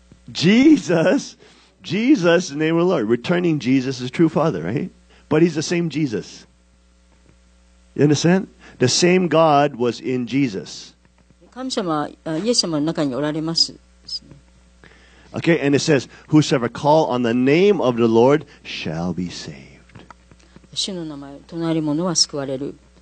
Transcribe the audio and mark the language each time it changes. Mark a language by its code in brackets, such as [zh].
[en] Jesus! Jesus, the name of the Lord. Returning Jesus is true Father, right? But he's the same Jesus. You understand? The same God was in Jesus. [ja] 神様、イエス様の中におられます。 [en] Okay, and it says, Whosoever call on the name of the Lord shall be saved. [ja] 主の名前、唱える者は救われる。